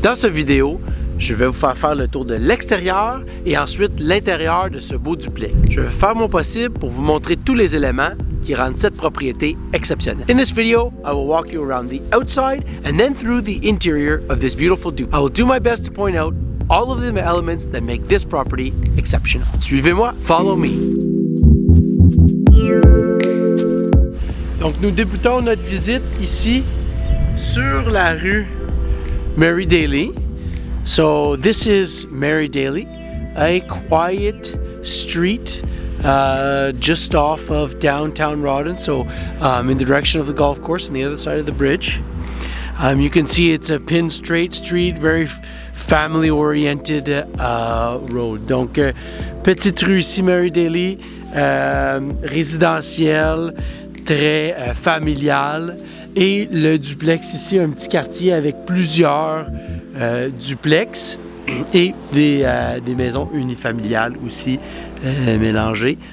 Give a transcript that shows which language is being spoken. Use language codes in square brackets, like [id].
[fr] Dans cette vidéo, je vais vous faire faire le tour de l'extérieur et ensuite l'intérieur de ce beau duplex. Je vais faire mon possible pour vous montrer tous les éléments qui rend cette propriété exceptionnelle. [en] In this video, I will walk you around the outside and then through the interior of this beautiful duplex. I will do my best to point out all of the elements that make this property exceptional. [fr] Suivez-moi, [en] follow me. [fr] Donc nous débutons notre visite ici sur la rue Mary Daly. [en] So this is Mary Daly, a quiet street just off of downtown Rawdon, so in the direction of the golf course on the other side of the bridge. You can see it's a pin straight street, very family oriented road. [fr] Donc, petite rue ici, Mary Daly, résidentielle, très familiale. Et le duplex ici, un petit quartier avec plusieurs duplex et des maisons unifamiliales aussi mélangées.